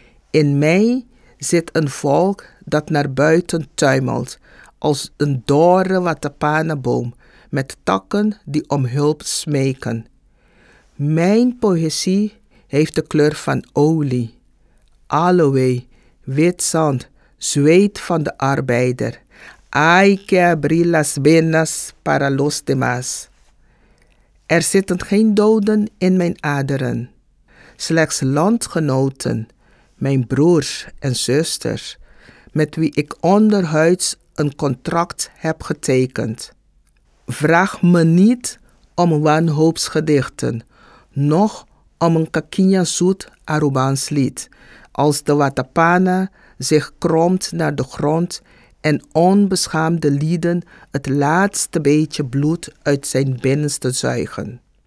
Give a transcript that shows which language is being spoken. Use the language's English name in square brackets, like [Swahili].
[Dutch] In mij zit een volk dat naar buiten tuimelt als een dorre watapanenboom met takken die om hulp smeken. Mijn poëzie heeft de kleur van olie, aloe, wit zand, zweet van de arbeider. [Spanish] Ay que abrir las venas para los demás. [Dutch] Er zitten geen doden in mijn aderen, slechts landgenoten, mijn broers en zusters, met wie ik onderhuids een contract heb getekend. Vraag me niet om wanhoopsgedichten, nog om een kakinya zoet Arubaans lied, als de watapana zich kromt naar de grond en onbeschaamde lieden het laatste beetje bloed uit zijn binnenste zuigen.